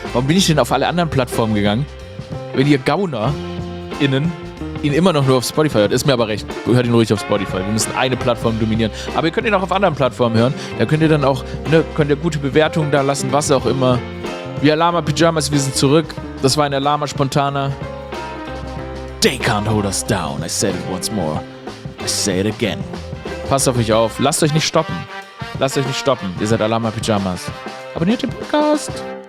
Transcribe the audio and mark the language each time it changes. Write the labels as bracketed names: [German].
[German] Warum bin ich denn auf alle anderen Plattformen gegangen? Wenn ihr GaunerInnen ihn immer noch nur auf Spotify hört, ist mir aber recht. Hört ihn ruhig auf Spotify. Wir müssen eine Plattform dominieren. Aber ihr könnt ihn auch auf anderen Plattformen hören. Da könnt ihr dann auch, ne, könnt ihr gute Bewertungen da lassen, was auch immer. Wir Alama Pyjamas, wir sind zurück. Das war ein Alama Spontaner. [English] They can't hold us down. I said it once more. I say it again. [German] Passt auf euch auf. Lasst euch nicht stoppen. Ihr seid Alama Pyjamas. Abonniert den Podcast.